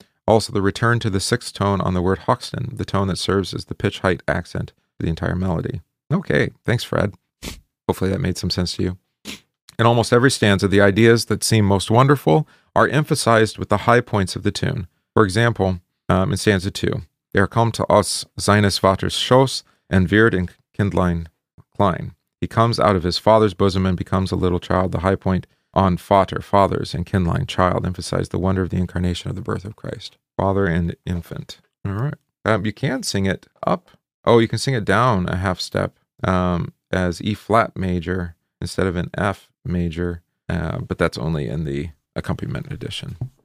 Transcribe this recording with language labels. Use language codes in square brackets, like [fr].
[en] Also, the return to the sixth tone on the word Hoxton, the tone that serves as the pitch height accent for the entire melody. Okay, thanks, Fred. Hopefully that made some sense to you. In almost every stanza, the ideas that seem most wonderful are emphasized with the high points of the tune. For example, in stanza two, [de] Er kommt aus seines Vaters Schoß und wird in Kindlein klein. [en] He comes out of his father's bosom and becomes a little child. The high point on Vater, fathers, and kindline, child, emphasize the wonder of the incarnation of the birth of Christ. Father and infant. All right. You can sing it up. Oh, you can sing it down a half step as E flat major instead of an F major, but that's only in the accompaniment edition.